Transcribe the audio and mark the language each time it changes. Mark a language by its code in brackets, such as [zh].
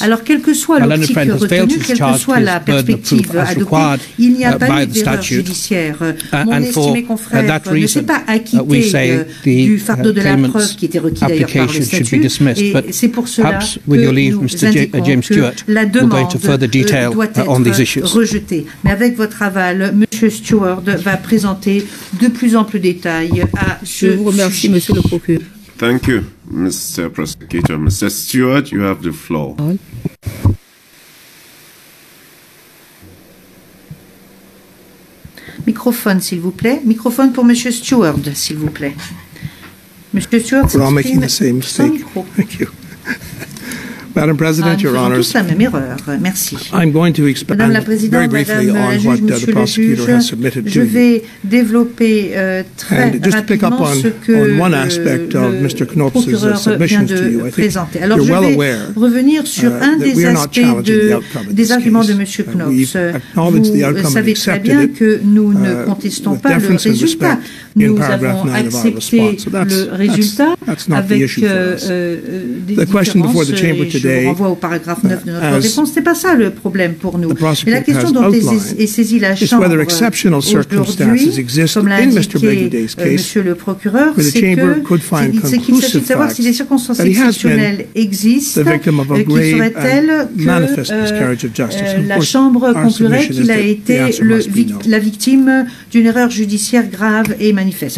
[en] My learned friend has failed to discharge his burden of proof as required by the statute, and for that reason, we say the claimant's application should be dismissed. But perhaps, with your leave, Mr. James Stewart, we'll go into further detail on these issues. [fr] Rejeté. Mais avec votre aval, M. Stewart va présenter de plus amples détails à ce sujet. Je vous remercie, M. le procureur. [en] Thank you, Mr. Prosecutor. Mr. Stewart, you have the floor. [fr] Microphone, s'il vous plaît. Microphone pour Monsieur Stewart, s'il vous plaît. Monsieur Stewart, [en] we're all making the same mistake. Thank you. Madam President, Your Honours, I'm going to expand very briefly on what the prosecutor has submitted to you. And just to pick up on one aspect of Mr. Knopf's submissions to you, I think you're well aware that we are not challenging the outcome of this case. We've acknowledged the outcome and accepted it with deference and respect in paragraph 9 of our response. So that's not the issue for us. The question before the chamber today, [fr] je vous renvoie au paragraphe 9 de notre réponse, ce n'est pas ça le problème pour nous. Et la question dont est saisie la Chambre aujourd'hui, comme l'a indiqué M. le procureur, c'est qu'il s'agit de savoir si des circonstances exceptionnelles existent qui feraient-elles que la Chambre conclurait qu'il a été la victime d'une erreur judiciaire grave et manifeste.